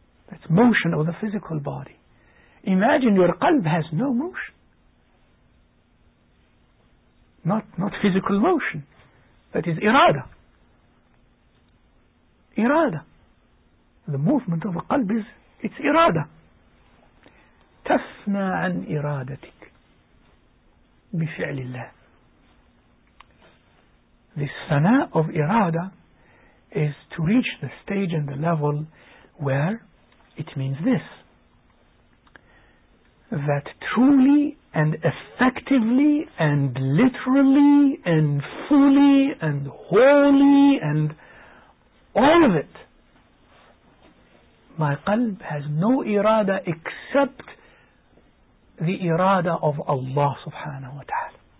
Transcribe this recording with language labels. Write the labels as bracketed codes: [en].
[en] That's motion of the physical body. Imagine your qalb has no motion. Not physical motion. That is irada. Irada. The movement of a qalb is, it's irada. [ar] تفنى عن إرادتك بفعل الله. [en] This fana of irada is to reach the stage and the level where it means this, that truly and effectively and literally and fully and wholly and all of it, my qalb has no irada except the irada of Allah subhanahu wa ta'ala.